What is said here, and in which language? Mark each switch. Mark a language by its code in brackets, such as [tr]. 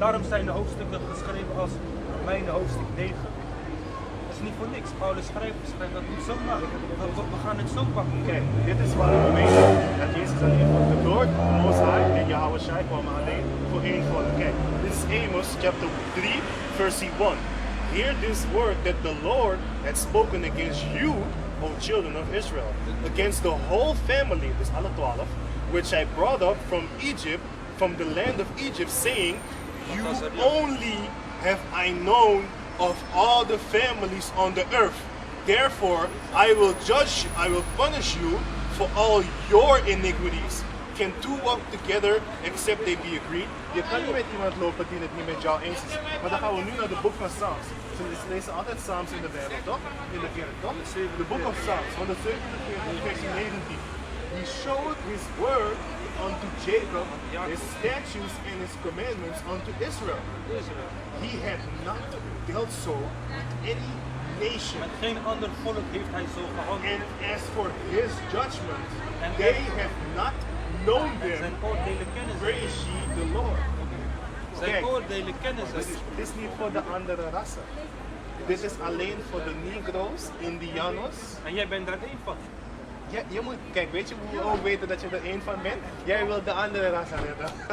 [nl] Daarom zijn de hoofdstukken geschreven als Romeinen hoofdstuk 9. Dat is niet voor niks. Paulus schrijft dat niet zomaar. We gaan het zo pakken. Kijk, dit is waarom we weten dat Jezus alleen voor de Lord, Mozai en Yahweh Shai kwamen alleen voor één volk. Kijk, dit is Amos [en] chapter 3, verse 1. Hear this word that the Lord had spoken against you, O children of Israel, against the whole family, [nl] dus alle 12, [en] which I brought up from Egypt, from the land of Egypt, saying, you only have I known of all the families on the earth, Therefore, I will judge you, I will punish you for all your iniquities. Can two walk together except they be agreed? [nl] Je kan niet met iemand lopen die het niet met jou eens is. Maar dan gaan we nu naar de boek van Psalms. Ze lezen altijd Psalms in de Bijbel, toch? In de kerk, toch? De boek van Psalms, van de 17e, vers 19. [en] He showed his word unto Jacob, his statutes and his commandments unto Israel. He had not dealt so with any nation. [nl] Met geen ander volk heeft hij zo gehandeld. [en] And as for his judgment, they have not known them. [nl] Zijn oordelen kennen ze. [en] Praise ye the Lord. [nl] Zijn oordelen kennen ze. Dit is niet voor de andere rassen. Dit is alleen voor de Negro's, Indianos. En jij bent er één van. Ja, je moet, kijk, weet je hoe we ook weten dat je er één van bent? Jij wilt de andere ras redden.